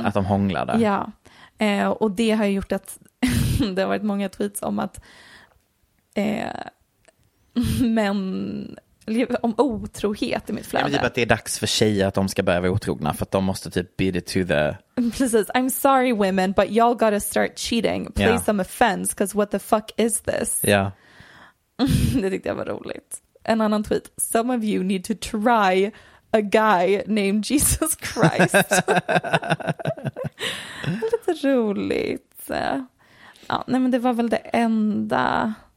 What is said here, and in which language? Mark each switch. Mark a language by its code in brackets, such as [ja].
[sv] att de hånglade. Ja, och det har gjort att det har varit många tweets om att män om otrohet i mitt flöde. Jag menar typ att det är dags för tjejer att de ska börja vara otrogna för att de måste typ [en] beat it to the... [sv] Precis. [en] I'm sorry women, but y'all gotta start cheating. Play yeah. some offense, because what the fuck is this? [sv] Ja. Yeah. Det tyckte jag var roligt. En annan tweet. [en] Some of you need to try a guy named Jesus Christ. [sv] Lite roligt. Ja, nej, men det var väl det enda...